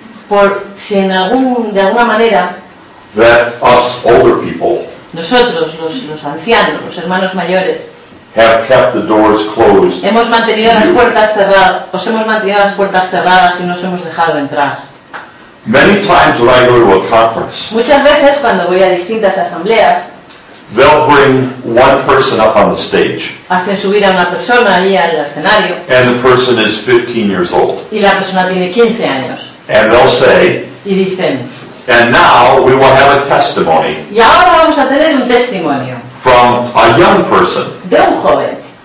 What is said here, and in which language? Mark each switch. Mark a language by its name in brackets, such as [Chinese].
[Spanish] por si en de alguna manera, [English] that us older people, [Spanish] nosotros los ancianos, los hermanos mayores, [English] have kept the doors closed. [Spanish] Hemos mantenido las puertas cerradas. Os hemos mantenido las puertas cerradas y no os hemos dejado entrar. [English] Many times when I go to a conference, [Spanish] muchas veces cuando voy a distintas asambleas, [English] they'll bring one person up on the stage. [Spanish] Hacen subir a una persona ahí al escenario. [English] And the person is 15 years old. [Spanish] Y la persona tiene 15 años. [English] And they'll say. [Spanish] Y dicen. [English] And now we will have a testimony. [Spanish] Y ahora vamos a tener un testimonio. [English] From a young person. [Spanish] De un joven.